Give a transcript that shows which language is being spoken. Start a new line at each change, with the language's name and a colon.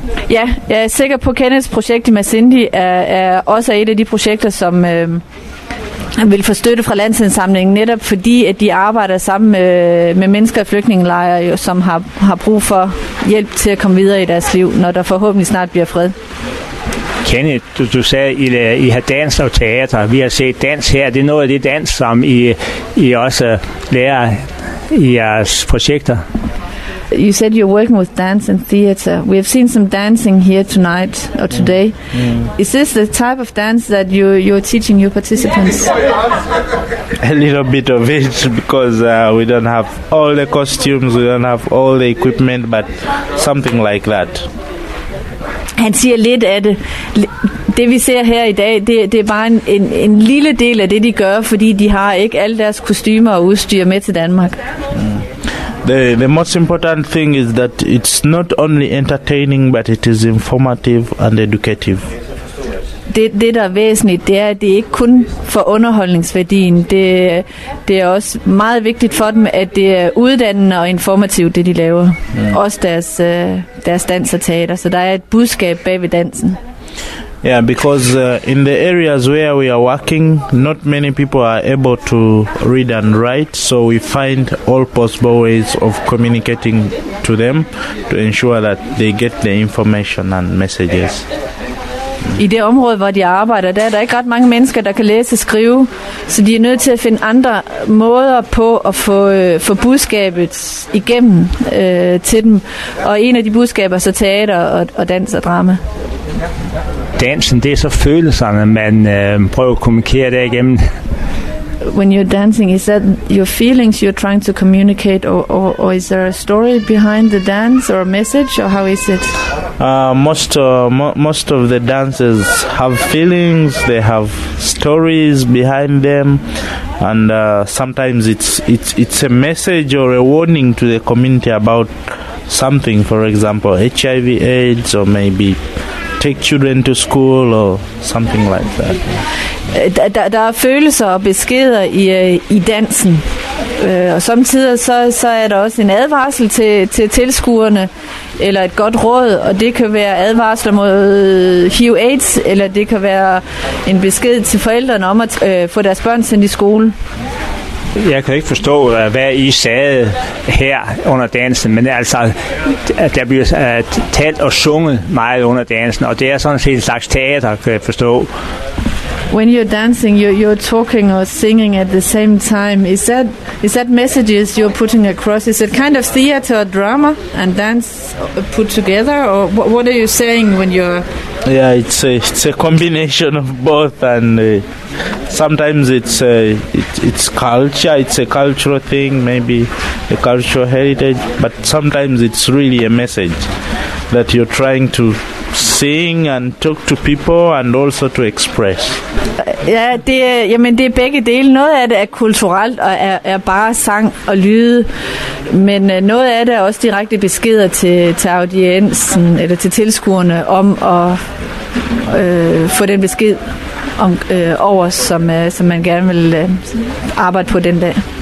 Danish: Ja, jeg er sikker på, at Kenneths projekt i Masindi er også et af de projekter, som vil få støtte fra landsindsamlingen, netop fordi, at de arbejder sammen med mennesker i flygtningelejre, som har brug for hjælp til at komme videre i deres liv, når der forhåbentlig snart bliver fred. Kenneth, du sagde, at I har dans og teater. Vi har set dans her. Det er noget af det dans, som I også lærer i jeres projekter.
English: You said you're working with dance and theater. We have seen some dancing here tonight or today. Mm. Is this the type of dance that you're teaching your participants? A little bit of it, because we don't have all the costumes, we don't have all the equipment, but something like that.
Danish: Han siger lidt af det. Det vi ser her i dag, det er bare en lille del af det, de gør, fordi de har ikke alle deres kostymer og udstyr med til Danmark.
English: The most important thing is that it's not only entertaining, but it is informative and educative.
Danish: Det der er væsentligt, det er, at det ikke kun for underholdningsværdien. Det er også meget vigtigt for dem, at det er uddannende og informativt, det de laver. Mm. Også deres dans og teater. Så der er et budskab bag ved dansen.
English: Yeah, because in the areas where we are working, not many people are able to read and write, so we find all possible ways of communicating to them to ensure that they get the information and messages.
Danish: I det område, hvor de arbejder, der er der ikke ret mange mennesker, der kan læse og skrive, så de er nødt til at finde andre måder på at få, få budskabet igennem til dem. Og en af de budskaber er så teater og, og dans og drama. Dansen, det er så følelserne, man prøver at kommunikere der igennem.
English: When you're dancing, is that your feelings you're trying to communicate, or is there a story behind the dance or a message, or how is it? Most of the dances have feelings, they have stories behind them, and sometimes it's a message or a warning to the community about something, for example, HIV AIDS, or maybe take children to school or something like that.
Danish: Der er følelser og beskeder i dansen. Og samtidig så er der også en advarsel til tilskuerne, eller et godt råd, og det kan være advarsler mod HIV-AIDS, eller det kan være en besked til forældrene om at få deres børn sendt i skole. Jeg kan ikke forstå, hvad I sagde her under dansen, men altså, der bliver talt og sunget meget under dansen, og det er sådan set en slags teater, kan jeg forstå.
English: When you're dancing, you're talking or singing at the same time. Is that messages you're putting across? Is it kind of theater or drama and dance put together? Or what are you saying when you're... Yeah, it's a combination of both. And sometimes it's culture. It's a cultural thing, maybe a cultural heritage. But sometimes it's really a message that you're trying to sing and talk to people and also to express.
Danish: Ja, det er begge dele. Noget af det er kulturelt og er bare sang og lyde, men noget af det er også direkte beskeder til audiensen eller til tilskuerne om at få den besked om, over, som man gerne vil arbejde på den dag.